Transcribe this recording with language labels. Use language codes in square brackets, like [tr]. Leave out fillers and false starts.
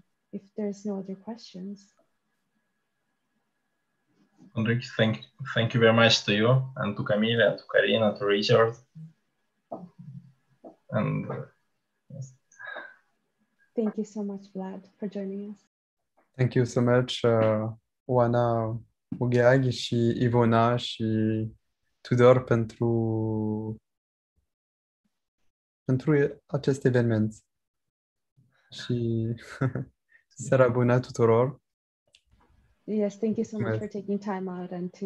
[en] If there's no other questions. Andrik, thank you very much to you and to Camille and to Karina, to Richard. And yes. Thank you so much, Vlad, for joining us. Thank you so much, [ro] Oana, Ugeag, și Ivona, și Tudor pentru acest eveniment. Și seara bună tuturor. [en] Yes, thank you so much for taking time out and to